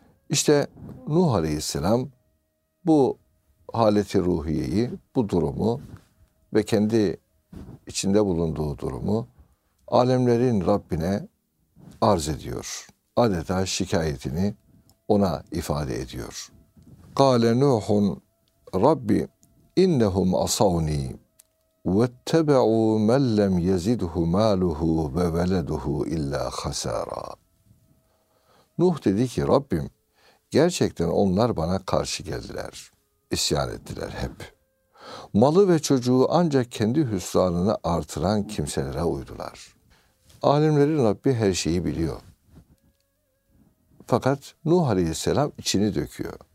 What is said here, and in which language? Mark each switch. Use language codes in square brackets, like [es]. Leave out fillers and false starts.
[tr] İşte Nuh Aleyhisselam bu haleti ruhiyeyi, bu durumu ve kendi içinde bulunduğu durumu alemlerin Rabbine arz ediyor. Adeta şikayetini ona ifade ediyor. [ar] Kâle Nuhun Rabbi innehum asavni وَاتَّبَعُوا مَنْ لَمْ يَزِدْهُ مَالُهُ وَوَلَدُهُ اِلَّا خَسَارًا. [tr] Nuh dedi ki, Rabbim, gerçekten onlar bana karşı geldiler, isyan ettiler hep. Malı ve çocuğu ancak kendi hüsranını artıran kimselere uydular. Alimlerin Rabbi her şeyi biliyor. Fakat Nuh Aleyhisselam içini döküyor.